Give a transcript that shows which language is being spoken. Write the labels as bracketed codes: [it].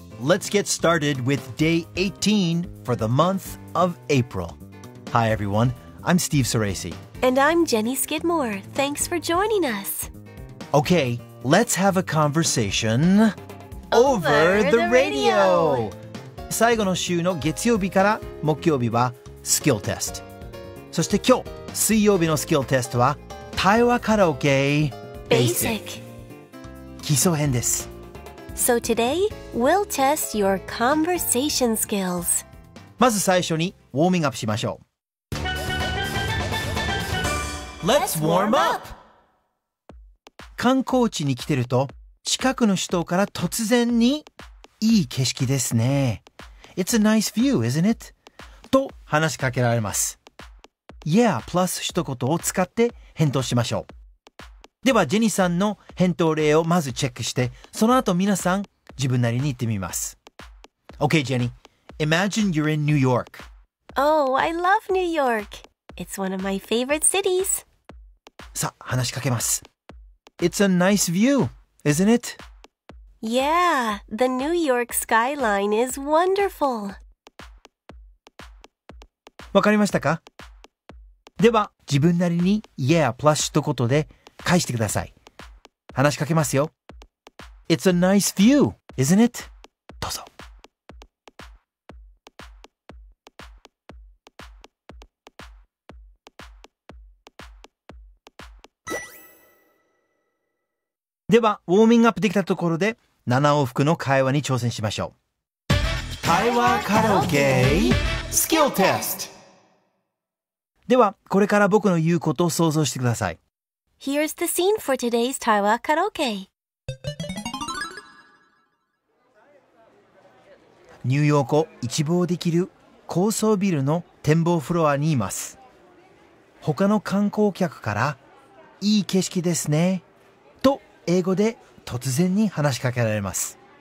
[en] let's get started with day 18 for the month of April. Hi, everyone. I'm Steve Ceresi. And I'm Jenny Skidmore. Thanks for joining us. Okay, let's have a conversation over the radio. [ja] 最後の週の月曜日から木曜日はスキルテスト。そして今日、水曜日のスキルテストは対話カラオケ [en] Basic [ja] 基礎編です。 [en] So today, we'll test your conversation skills. [ja] まず最初にウォーミングアップしましょう。 [en] Let's warm up! [ja] 観光地に来てると近くの人から突然にいい景色ですね。 [en] It's a nice view, isn't it? [ja] と話しかけられます。 [en] Yeah, plus [ja] 一言を使って返答しましょう。では、ジェニーさんの返答例をまずチェックして、その後皆さん自分なりに言ってみます。 [en] Okay, Jenny. Imagine you're in New York. Oh, I love New York. It's one of my favorite cities. [ja] さあ、話しかけます。 [en] It's a nice view, isn't it? Yeah, the New York skyline is wonderful. [ja] わかりましたか? では、自分なりに [en] Yeah plus [ja] 一言で返してください。話しかけますよ。 [en] It's a nice view, isn't it? [ja] どうぞ。では、ウォーミングアップできたところで7往復の会話に挑戦しましょう。対話カラオケスキルテスト。では、これから僕の言うことを想像してください。 Here's the scene for today's 対話カラオケ。ニューヨークを一望できる高層ビルの展望フロアにいます。他の観光客から、いい景色ですね、と英語で突然に話しかけられます。